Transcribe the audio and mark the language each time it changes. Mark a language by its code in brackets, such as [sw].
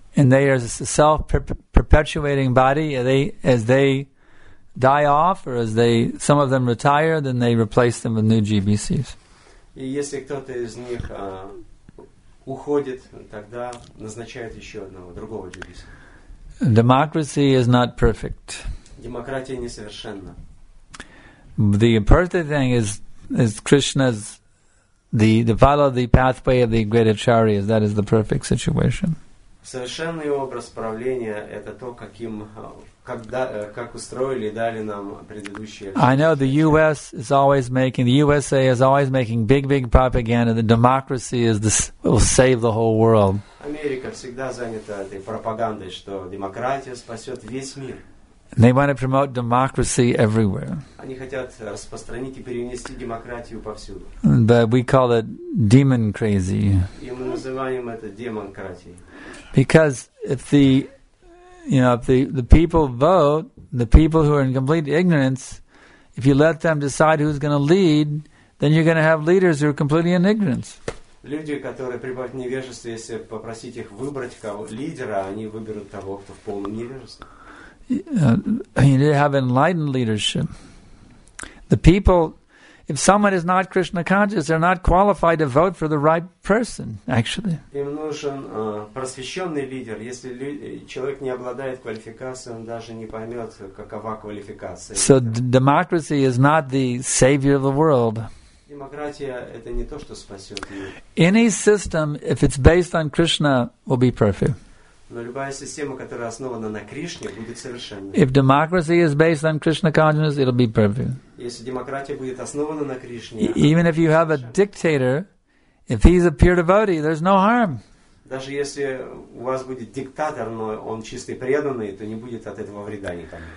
[en] And they are a self-perpetuating body. As they die off, or as they some of them retire, then they replace them with new GBCs. [ru] И если кто-то из них уходит, тогда назначают еще одного, другого GBC. [en] Democracy is not perfect. [ru] Демократия несовершенна. [en] The perfect thing is Krishna's the follow the pathway of the great acharyas. That is the perfect situation. [ru] Совершенный образ правления – это то, каким как устроили и дали нам предыдущие. [en] I know the U.S. is always making, the USA is always making big propaganda that democracy is this will save the whole world. [ru] Америка всегда занята этой пропагандой, что демократия спасет весь мир. [en] They want to promote democracy everywhere. [ru] Они хотят распространить и перенести демократию повсюду. [en] But we call it demon crazy. [ru] И мы называем это демократией. [en] Because if the the people vote, the people who are in complete ignorance, if you let them decide who's going to lead, then you're going to have leaders who are completely in ignorance. [ru] Люди, которые пребывают в невежестве, если попросить их выбрать кого лидера, они выберут того, кто в полном невежестве. [en] You need to have enlightened leadership. The people, if someone is not Krishna conscious, they're not qualified to vote for the right person, actually. [ru] Им нужен просвещенный лидер. Если человек не обладает квалификацией, он даже не поймет, какова квалификация. [en] So democracy is not the savior of the world. [ru] Демократия – это не то, что спасет мир. [en] Any system, if it's based on Krishna, will be perfect. [ru] Но любая система, которая основана на Кришне, будет совершенной. [en] If democracy is based on Krishna consciousness, it'll be perfect. [ru] Если демократия будет основана на Кришне, [en] even if you have a dictator, if he's a pure devotee, there's no harm. [ru] Даже если у вас будет диктатор, но он чистый преданный, то не будет от этого вреда никому.